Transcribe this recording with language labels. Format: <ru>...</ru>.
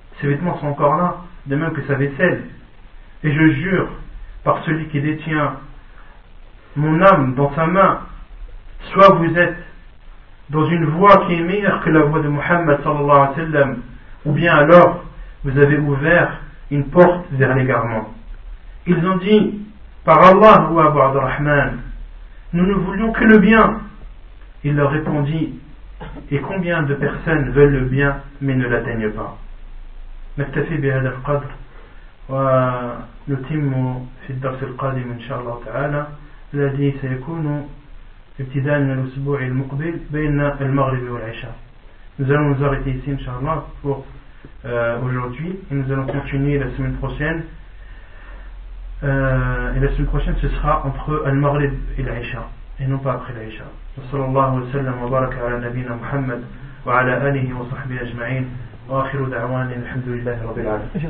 <fr>Ses vêtements sont encore là, de même que sa vaisselle. Et je jure par celui qui détient mon âme dans sa main, soit vous êtes dans une voie qui est meilleure que la voie de Muhammad</fr> <ar>sallallahu alayhi wa sallam,</ar> <fr>ou bien alors vous avez ouvert une porte vers l'égarement. Ils ont dit, par Allah ou Abu Abdurrahman, nous ne voulions que le bien. Il leur répondit, et combien de personnes veulent le bien mais ne l'atteignent pas.</fr> <ar>نكتفي بهذا القدر ونتم في الدرس القادم إن شاء الله تعالى الذي سيكون ابتداء من الأسبوع المقبل بين المغرب والعشاء.</ar> <fr>Nous allons nous arrêter ici</fr> <ar>إن شاء الله</ar> <fr>pour aujourd'hui et nous allons continuer la semaine prochaine. Et la semaine prochaine ce sera entre المغرب et العشاء et non pas après العشاء.</fr> <ar>صلى الله وسلم وبارك على نبينا محمد وعلى آله وصحبه أجمعين. وآخر دعوانا الحمد لله رب العالمين.</ar>